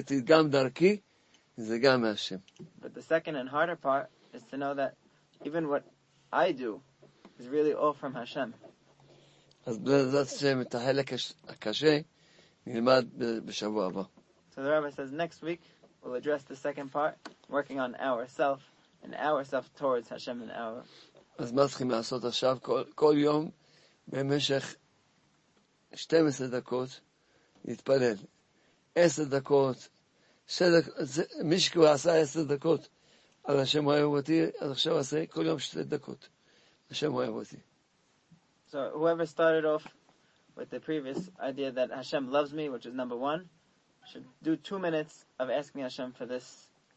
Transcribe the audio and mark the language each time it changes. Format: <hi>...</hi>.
<en>But the second and harder part is to know that even what I do is really all from Hashem. So the rabbi says, next week we'll address the second part, working on ourselves and ourselves towards Hashem and our.</en> <he>אז מה צריכים לעשות עכשיו כל יום במשך 12 דקות להתפלל 10 דקות מי שכבר עשה 10 דקות על השם אוהב אותי אז עכשיו עשה כל יום 2 דקות השם אוהב אותי.</he> <en>So whoever started off with the previous idea that Hashem loves me, which is number one, should do 2 minutes of asking Hashem for this</en>